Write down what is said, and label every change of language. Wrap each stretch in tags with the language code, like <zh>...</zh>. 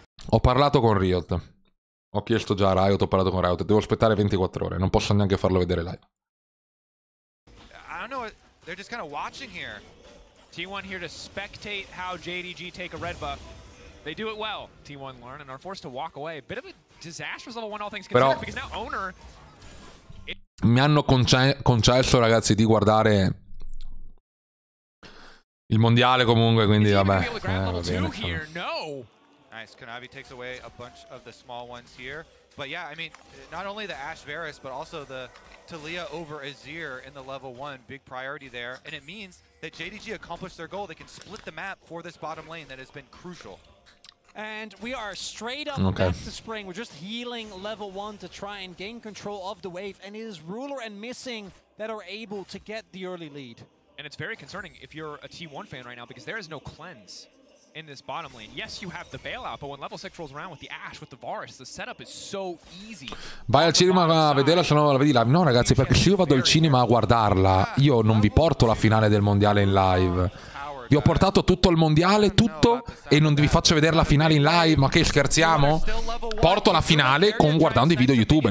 <it>Ho parlato con Riot. Ho chiesto già a Riot, ho parlato con Riot. Devo aspettare 24 ore, non posso neanche farlo vedere live.</it> <en>I don't know, they're just kind of watching here. T1 here to spectate how JDG take a red buff. They do it well. T1 learn and are forced to walk away. Bit of a disastrous level 1 all things considered, because now owner.</en> <it>Mi hanno concesso, ragazzi, di guardare il mondiale comunque, quindi vabbè. Va bene,</it> <en>nice. Kanavi takes away a bunch of the small ones here. But yeah, I mean, not only the Ash Varus, but also the Taliyah over Azir in the level one, big priority there. And it means that JDG accomplished their goal. They can split the map for this bottom lane that has been crucial. And we are straight up okay. Back to spring. We're just healing level one to try and gain control of the wave. And it is Ruler and Missing that are able to get the early lead. And it's very concerning if you're a T1 fan right now, because there is no cleanse in this bottom lane. Yes, you have the bailout, but when level 6 rolls around with the Ashe, with the Varus, the setup is so easy.</en> <it>Vai al cinema a vederla, se no la vedi live. No, ragazzi, perché se io vado al cinema a guardarla, io non vi porto la finale del mondiale in live. Vi ho portato tutto il mondiale, tutto, e non vi faccio vedere la finale in live? Ma che scherziamo? Porto la finale con guardando i video YouTube.</it>